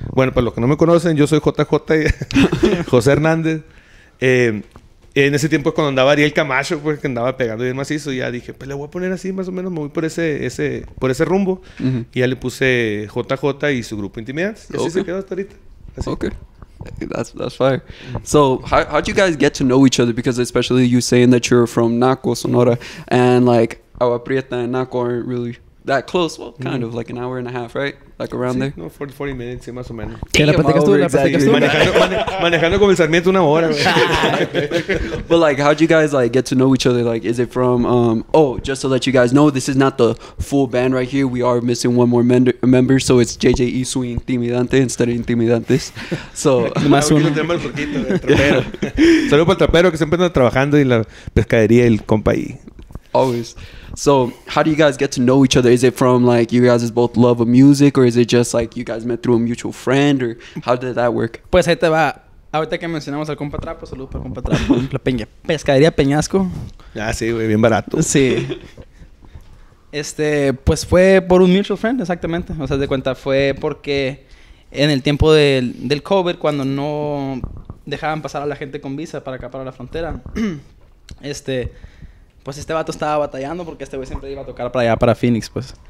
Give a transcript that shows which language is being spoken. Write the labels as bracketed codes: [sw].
[es] Bueno, para los que no me conocen, yo soy JJ y José Hernández. En ese tiempo es cuando andaba Ariel Camacho, pues, que andaba pegando bien macizo. Ya dije, pues, le voy a poner así, más o menos. Me voy por ese rumbo. Uh-huh. Y ya le puse JJ y su grupo Intimidantes. Y así se quedó hasta ahorita. Así. [en] Ok. That's fire. So, how did you guys get to know each other? Because especially you saying that you're from Naco, Sonora. And, like, Agua Prieta and Naco aren't really that close. Well, kind of, like, an hour and a half, right? Like, around there? [es] No, [en] 40 minutes, [es] sí, más o menos. ¿Qué la platicas tú? Manejando con el Sarmiento una hora, güey. [en] But, like, how'd you guys, like, get to know each other? Like, is it from... just to let you guys know, this is not the full band right here. We are missing one more member. So, it's JJ Isu Intimidante instead of Intimidantes. So... [es] Más uno. Saludos para el trapero que siempre anda trabajando y la pescadería, el compa ahí. [en] Always. So, how do you guys get to know each other? Is it from, like, you guys both love of music? Or is it just, like, you guys met through a mutual friend? Or how did that work? [es] Pues ahí te va. Ahorita que mencionamos al compa Trapo, saludos para el compa Trapo. La peña. Pescadería Peñasco. Ah, sí, güey, bien barato. Sí. Pues fue por un [en] mutual friend, [es] exactamente. O sea, de cuenta, fue porque en el tiempo del COVID, cuando no dejaban pasar a la gente con visa para acá, para la frontera, pues este vato estaba batallando porque este güey siempre iba a tocar para allá, para Phoenix, pues.